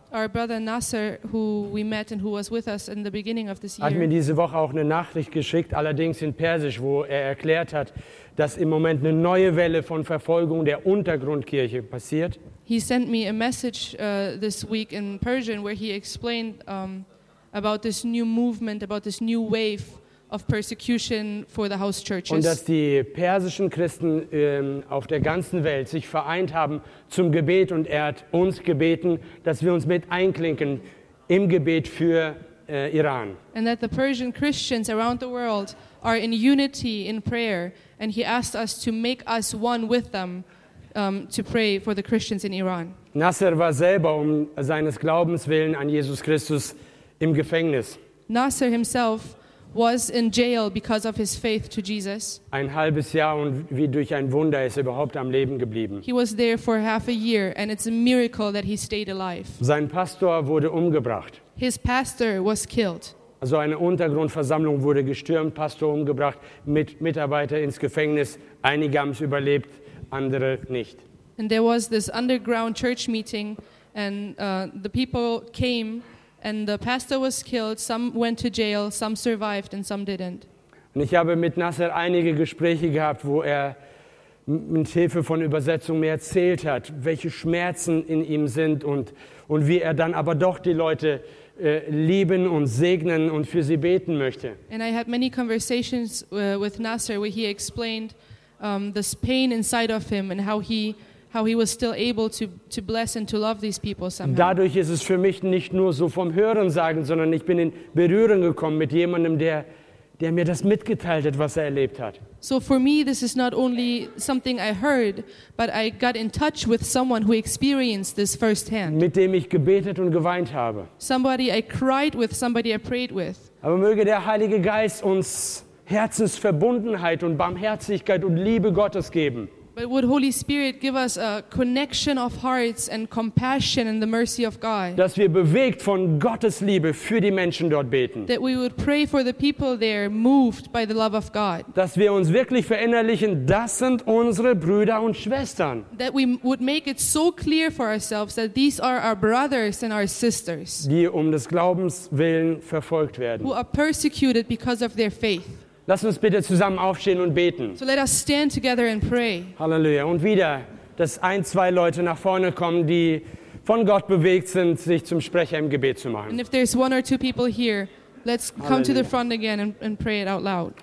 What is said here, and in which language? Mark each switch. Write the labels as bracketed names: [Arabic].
[English] Our brother Nasser, who we met and who was with us in the beginning of this year, [German] hat mir diese Woche auch eine Nachricht geschickt, allerdings in Persisch, wo er erklärt hat, dass im Moment eine neue Welle von Verfolgung der Untergrundkirche passiert. [English] He sent me a message this week in Persian, where he explained about this new movement, about this new wave of persecution for the house churches. [German] Und dass die persischen Christen auf der ganzen Welt sich vereint haben zum Gebet und er hat uns gebeten, dass wir uns mit einklinken im Gebet für Iran. [English] And that the Persian Christians around the world are in unity in prayer and he asked us to make us one with them to pray for the Christians in Iran. [German] Nasser war selber um seines Glaubens willen an Jesus Christus im Gefängnis. [English] Nasser himself was in jail because of his faith to Jesus. [German] Ein halbes Jahr und wie durch ein Wunder ist er überhaupt am Leben geblieben. [English] He was there for half a year and it's a miracle that he stayed alive. [German] Sein Pastor wurde umgebracht. [English] His pastor was killed. [German] Also eine Untergrundversammlung wurde gestürmt, Pastor umgebracht, mit Mitarbeiter ins Gefängnis, einige haben es überlebt, andere nicht. [English] And there was this underground church meeting and the people came. And the pastor was killed, some went to jail, some survived and some didn't. [German] Und ich habe mit Nasser einige Gespräche gehabt, wo er mit Hilfe von Übersetzung mir erzählt hat, welche Schmerzen in ihm sind und wie er dann aber doch die Leute lieben und segnen und für sie beten möchte. [English] And I had many conversations with Nasser where he explained this pain inside of him and how he was still able to bless and to love these people somehow. [German] Dadurch ist es für mich nicht nur so vom Hören sagen, sondern ich bin in Berührung gekommen mit jemandem, der mir das mitgeteilt hat, was er erlebt hat. [English] So for me this is not only something I heard, but I got in touch with someone who experienced this firsthand. [German] Mit dem ich gebetet und geweint habe. [English] Somebody I cried with, somebody I prayed with. [German] Aber möge der Heilige Geist uns Herzensverbundenheit und Barmherzigkeit und Liebe Gottes geben. [English] But would Holy Spirit give us a connection of hearts and compassion and the mercy of God? [German] Dass wir bewegt von Gottes Liebe für die Menschen dort beten. [English] That we would pray for the people there moved by the love of God. [German] Dass wir uns wirklich verinnerlichen, das sind unsere Brüder und Schwestern. [English] That we would make it so clear for ourselves that these are our brothers and our sisters. [German] Die um des Glaubens willen verfolgt werden. [English] Who are persecuted because of their faith. [German] Lass uns bitte zusammen aufstehen und beten. [English] So let us stand together and pray. [German] Halleluja. Und wieder, dass ein, zwei Leute nach vorne kommen, die von Gott bewegt sind, sich zum Sprecher im Gebet zu machen. [English] And if there's one or two people here, let's Halleluja. Come to the front again and pray it out loud.